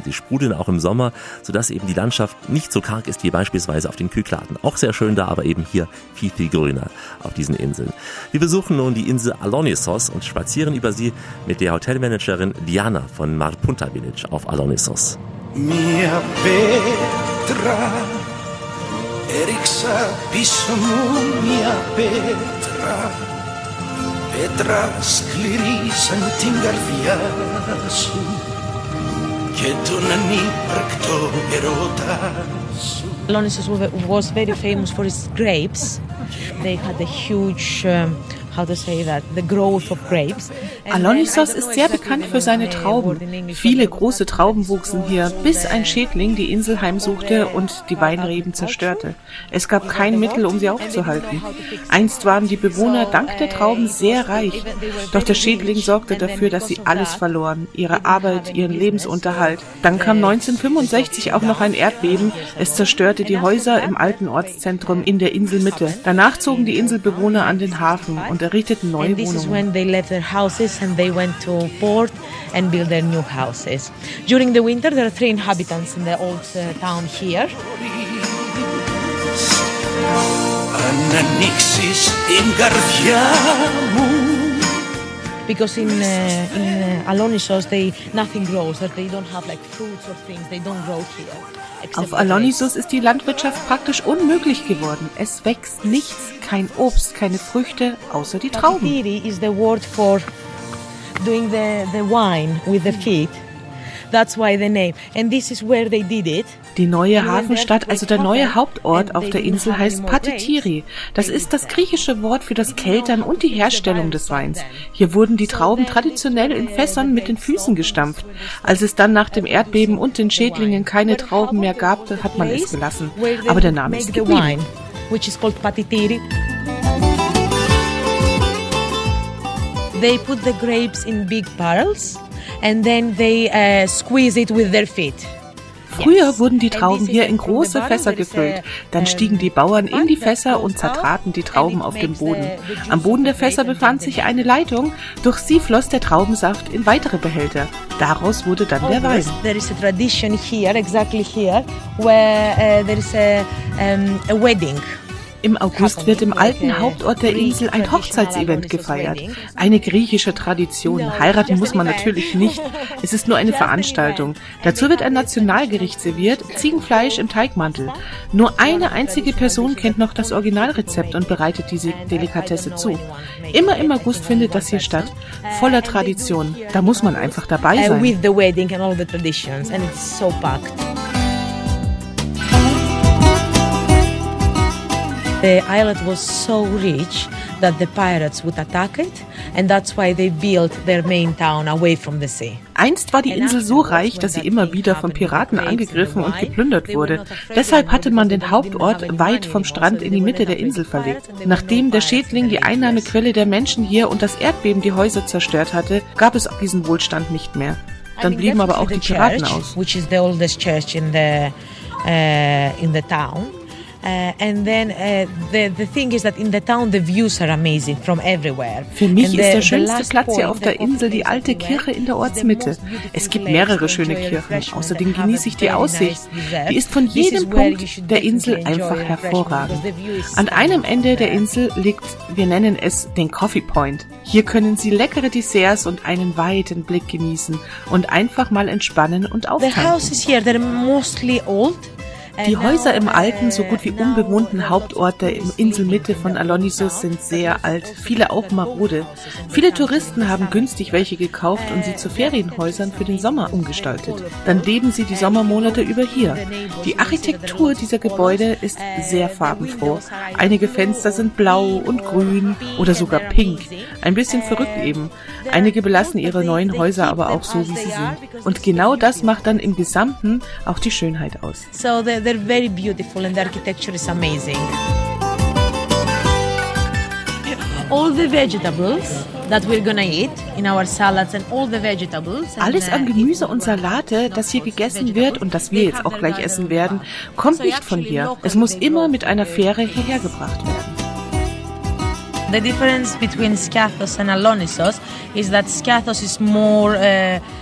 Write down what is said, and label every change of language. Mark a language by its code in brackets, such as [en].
[de] Sie sprudeln auch im Sommer, sodass eben die Landschaft nicht so karg ist wie beispielsweise auf den Kykladen. Auch sehr schön da, aber eben hier viel, viel grüner auf diesen Inseln. Wir besuchen nun die Insel Alaunissos und spazieren über sie mit der Hotelmanagerin Diana von Marpunta Village auf Alaunissos. [el] Mia Petra, έριξα πίσω μου μια πέτρα, πέτρα σκληρή σαν την καρδιά σου και τον ανύπαρκτο ερώτα σου. [en] Alaunissos was very famous for its grapes. They had a huge, how to say that, the growth of grapes. [de] Alaunissos ist sehr bekannt für seine Trauben. Viele große Trauben wuchsen hier, bis ein Schädling die Insel heimsuchte und die Weinreben zerstörte. Es gab kein Mittel, um sie aufzuhalten. Einst waren die Bewohner dank der Trauben sehr reich. Doch der Schädling sorgte dafür, dass sie alles verloren, ihre Arbeit, ihren Lebensunterhalt. Dann kam 1965 auch noch ein Erdbeben. Es zerstörte die Häuser im alten Ortszentrum in der Inselmitte. Danach zogen die Inselbewohner an den Hafen und errichteten neue Wohnungen. [en] And they went to port and built their new houses. During the winter, there are 3 inhabitants in the old town here. Because in Alaunissos, nothing grows. They don't have like fruits or things. They don't grow here. [de] Auf Alaunissos ist die Landwirtschaft praktisch unmöglich geworden. Es wächst nichts, kein Obst, keine Früchte, außer die Trauben. [en] Kakitiri is the word for doing the wine with the feet. That's why the name. And this is where they did it. [de] Die neue Hafenstadt, also der neue Hauptort auf der Insel, heißt Patitiri. Das ist das griechische Wort für das Keltern und die Herstellung des Weins. Hier wurden die Trauben traditionell in Fässern mit den Füßen gestampft. Als es dann nach dem Erdbeben und den Schädlingen keine Trauben mehr gab, hat man es gelassen. Aber der Name ist geblieben. [en] Which is called Patitiri. They put the grapes in big barrels and then they squeeze it with their feet. [de] Früher wurden die Trauben hier in große Fässer gefüllt. Dann stiegen die Bauern in die Fässer und zertraten die Trauben auf dem Boden. Am Boden der Fässer befand sich eine Leitung. Durch sie floss der Traubensaft in weitere Behälter. Daraus wurde dann der Wein. [en] There is a tradition here, exactly here, where there is a wedding. [de] Im August wird im alten Hauptort der Insel ein Hochzeitsevent gefeiert. Eine griechische Tradition. Heiraten muss man natürlich nicht. Es ist nur eine Veranstaltung. Dazu wird ein Nationalgericht serviert, Ziegenfleisch im Teigmantel. Nur eine einzige Person kennt noch das Originalrezept und bereitet diese Delikatesse zu. Immer im August findet das hier statt. Voller Tradition. Da muss man einfach dabei sein. [en] With the wedding and all the traditions. And it's so packed. The island was so rich that the pirates would attack it, and that's why they built their main town away from the sea. [de] Einst war die Insel so reich, dass sie immer wieder von Piraten angegriffen und geplündert wurde. Deshalb hatte man den Hauptort weit vom Strand in die Mitte der Insel verlegt. Nachdem der Schädling die Einnahmequelle der Menschen hier und das Erdbeben die Häuser zerstört hatte, gab es diesen Wohlstand nicht mehr. Dann blieben aber auch die Piraten aus. [en] Which is the oldest church in the town. [de] Für mich ist der schönste Platz hier auf der Insel die alte Kirche in der Ortsmitte. Es gibt mehrere schöne Kirchen. Außerdem genieße ich die Aussicht. Die ist von jedem Punkt der Insel einfach hervorragend. An einem Ende der Insel liegt, wir nennen es den Coffee Point. Hier können Sie leckere Desserts und einen weiten Blick genießen und einfach mal entspannen und auftanken. [en] The houses here, they're mostly old. [de] Die Häuser im alten, so gut wie unbewohnten Hauptort der Inselmitte von Alonisos sind sehr alt, viele auch marode. Viele Touristen haben günstig welche gekauft und sie zu Ferienhäusern für den Sommer umgestaltet. Dann leben sie die Sommermonate über hier. Die Architektur dieser Gebäude ist sehr farbenfroh. Einige Fenster sind blau und grün oder sogar pink. Ein bisschen verrückt eben. Einige belassen ihre neuen Häuser aber auch so, wie sie sind. Und genau das macht dann im Gesamten auch die Schönheit aus. [en] They're very beautiful and the architecture is amazing. All the vegetables that we're gonna eat in our salads and all the vegetables. [de] Alles an Gemüse und Salate, das hier gegessen wird und das wir jetzt auch gleich essen werden, kommt nicht von hier. Es muss immer mit einer Fähre hierher gebracht werden. [en] The difference between Skathos and Alonisos is that Skathos is more